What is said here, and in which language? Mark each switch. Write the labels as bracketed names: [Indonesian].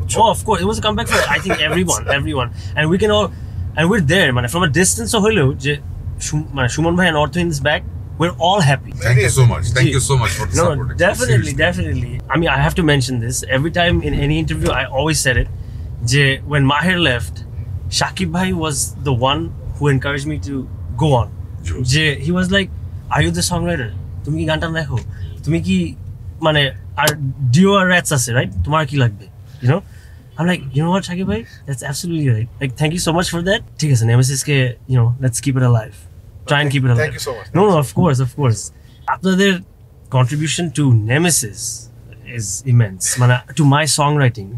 [English] oh of course, it was a comeback for I think everyone and we can all and we're there মানে from a distance [Bangla] হলো যে মানে [English] Sumon bhai and Aurthohin is back, we are all happy. Thank you so much, thank you so much for the support. No, definitely, definitely. I mean I have to mention this every time in any interview, I always said it, [Bangla] যে [English] when Mahir left, Shakib bhai was the one who encouraged me to go on. [Bangla] যে [English] he was like, are you the songwriter? [Bangla] তুমি কি গানটা লেখো? তুমি কি মানে আর deo আর rats আছে, রাইট? তোমার কি লাগবে? [English] You know, I am like, you know what Shakib bhai, that's absolutely right, like thank you so much for that. [Bangla] ঠিক আছে, [English] Nemesis কে you know let's keep it alive, try and keep it alive. Thank you so much. No, of course. [Bangla] আপনাদের [English] Contribution to Nemesis is immense, মানে to my songwriting.